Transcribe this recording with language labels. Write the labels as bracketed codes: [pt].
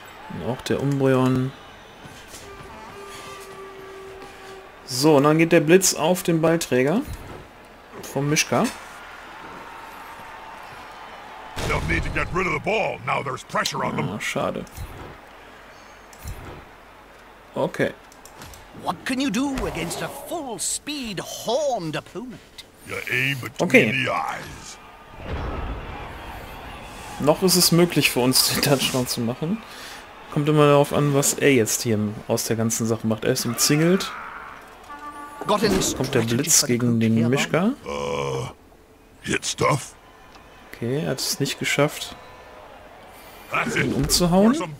[de] Und auch der Umbreon. So, und dann geht der Blitz auf den Ballträger. Vom Mischka. [en] They'll need to get rid of the ball. Now there's pressure on them. [de] Ah, schade. Okay. [en] What can you do against a full speed horned opponent? You aim between the eyes. [de] Noch ist es möglich für uns, den Touchdown zu machen. Kommt immer darauf an, was er jetzt hier aus der ganzen Sache macht. Er ist umzingelt. Jetzt kommt der Blitz gegen den Mischka. Okay, er hat es nicht geschafft, ihn umzuhauen.